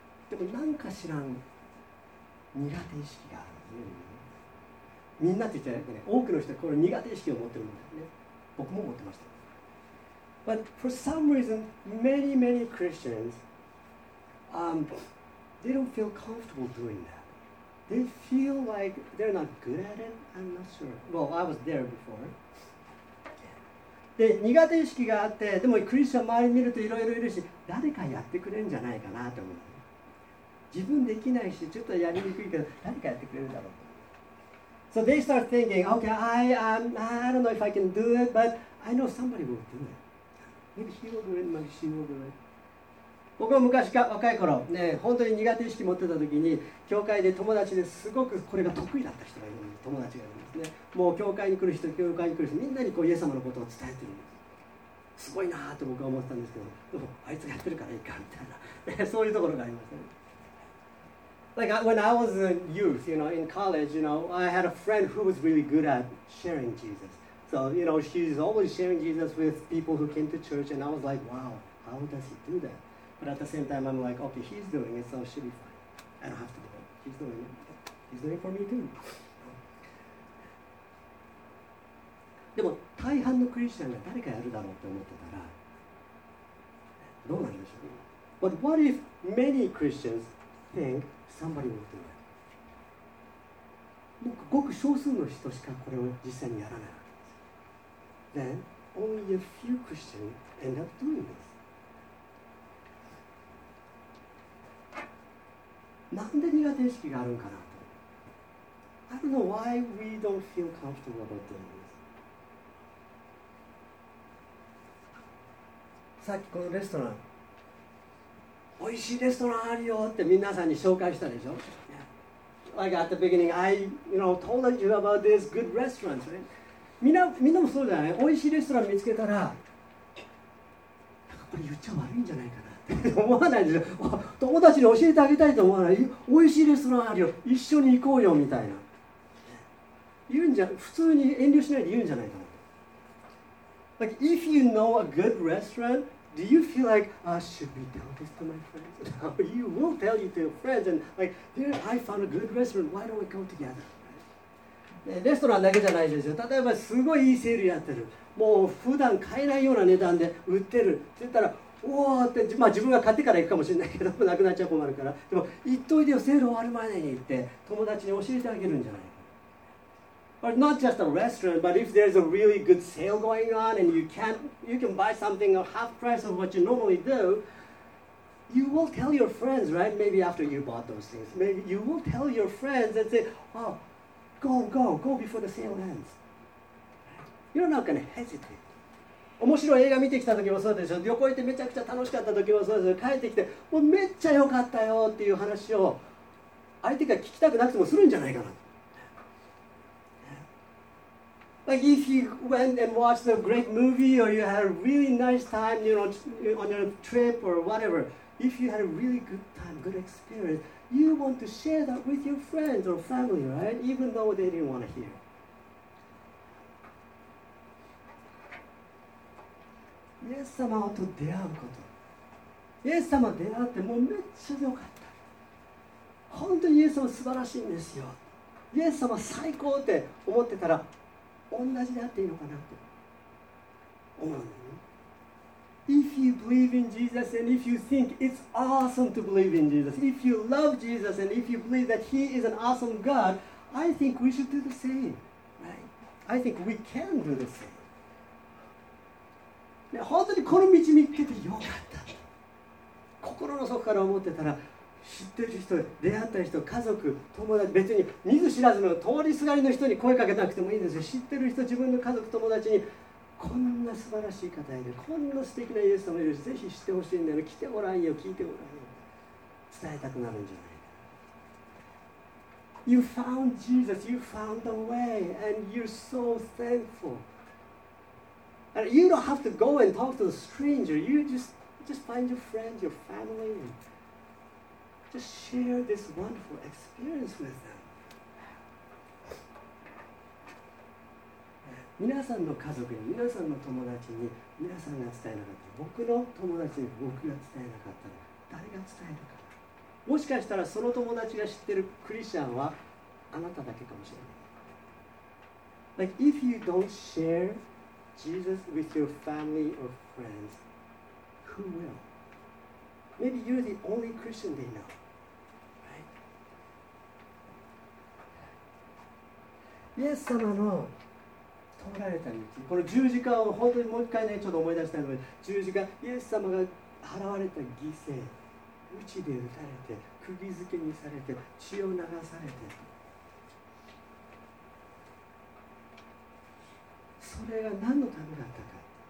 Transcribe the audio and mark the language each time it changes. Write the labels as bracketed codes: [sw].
[ja] でも何か知らん苦手意識がある、ね、みんなって言っちゃね、多くの人はこれ苦手意識を持ってるんだよね。僕も持ってました。 [en] But for some reason many many Christians、they don't feel comfortable doing that. They feel like they're not good at it. I'm not sure. Well, I was there before. [ja] で苦手意識があって、でもクリスチャン周り見るといろいろいるし、誰かやってくれるんじゃないかなと思う。自分できないし、ちょっとやりにくいけど、何かやってくれるだろうと。 [en] So they start thinking, okay, I don't know if I can do it, but I know somebody will do it. Maybe he will do it, maybe she will do it. [ja] 僕も昔か若い頃、ね、本当に苦手意識持ってた時に教会で友達ですごくこれが得意だった人がいるんです。友達がいるんですね。もう教会に来る人、教会に来る人みんなにこうイエス様のことを伝えてるんです。すごいなと僕は思ってたんですけど、でもあいつがやってるからいいかみたいな、そういうところがありましたね。 [en] Like when I was a youth, you know, in college, you know, I had a friend who was really good at sharing Jesus. So, you know, she's always sharing Jesus with people who came to church, and I was like, wow, how does he do that? But at the same time, I'm like, okay, he's doing it, so it should be fine. I don't have to do it. He's doing it. He's doing it for me too. [ja] でも大半のクリスチャンが誰かやるだろうと思ってたらどうなるでしょう。 [en] But what if many Christians think somebody will do it? [ja] もうごく少数の人しかこれを実際にやらない。 [en] Then only a few Christians end up doing this. [ja] なんで苦手意識があるのかなと。 [en] I don't know why we don't feel comfortable about doing this. [ja] さっきこのレストラン、おいしいレストランあるよって皆さんに紹介したでしょ。 [en] Like at the beginning, I, you know, told you about this good restaurant, right? [ja] みんなもそうじゃない。おいしいレストラン見つけたら、なんかこれ言っちゃ悪いんじゃないかなって思わないでしょ。友達に教えてあげたいと思わない。おいしいレストランあるよ、一緒に行こうよみたいな言うんじゃ、普通に遠慮しないで言うんじゃないかな。 [en] Like, if you know a good restaurant, do you feel like, should we tell this to my friends? You will tell it to your friends, and like, here, I found a good restaurant, why don't we go together? [ja] レストランだけじゃないですよ。例えば、すごいいいセールやってる。もう普段買えないような値段で売ってる。って言ったら、おーって、まあ自分が買ってから行くかもしれないけど、なくなっちゃ困るから。でも、言っといてよ、セール終わる前に行って、友達に教えてあげるんじゃない。 [en] Or not just a restaurant, but if there's a really good sale going on and you can buy something at half price of what you normally do, you will tell your friends, right? Maybe after you bought those things. Maybe you will tell your friends and say, oh, go before the sale ends. You're not going to hesitate. [ja] 面白い映画見てきた時もそうでしょ。旅行行ってめちゃくちゃ楽しかった時もそうでしょ。帰ってきて、もうめっちゃ良かったよっていう話を相手が聞きたくなくてもするんじゃないかな。 [en] Like if you went and watched a great movie or you had a really nice time, you know, on your trip or whatever, if you had a really good time, good experience, you want to share that with your friends or family, right? Even though they didn't want to hear. [ja] イエス様と出会うこと。イエス様出会ってもうめっちゃ良かった。本当にイエス様素晴らしいんですよ。イエス様最高って思ってたら、同じであっていいのかなと思うの。 [en] If you believe in Jesus and if you think it's awesome to believe in Jesus, if you love Jesus and if you believe that He is an awesome God, I think we should do the same, right? I think we can do the same. [ja] 本当にこの道見つけてよかった。心の底から思ってたら、知ってる人、出会った人、家族、友達、別に見ず知らずの通りすがりの人に声かけなくてもいいんですよ。知ってる人、自分の家族、友達に、こんな素晴らしい方いる、こんな素敵なイエス様いるし、ぜひ知ってほしいんだよ、来てごらんよ、聞いてごらんよ、伝えたくなるんじゃない。 [en] You found Jesus, you found the way, and you're so thankful. And you don't have to go and talk to a stranger, you just find your friend, your family. Just share this wonderful experience with them. [ja] 皆さんの家族に、皆さんの友達に、皆さんが伝えなかったら、僕の友達に僕が伝えなかったら、誰が伝えるか。もしかしたらその友達が知ってるクリスチャンはあなただけかもしれない。 [en] Like if you don't share Jesus with your family or friends, who will? Maybe you're the only Christian they know, right? [ja] イエス様の通られた道、この十字架を本当にもう一回ね、ちょっと思い出したいので、十字架、イエス様が払われた犠牲、鞭で打たれて、釘付けにされて、血を流されて、それが何のためだったか、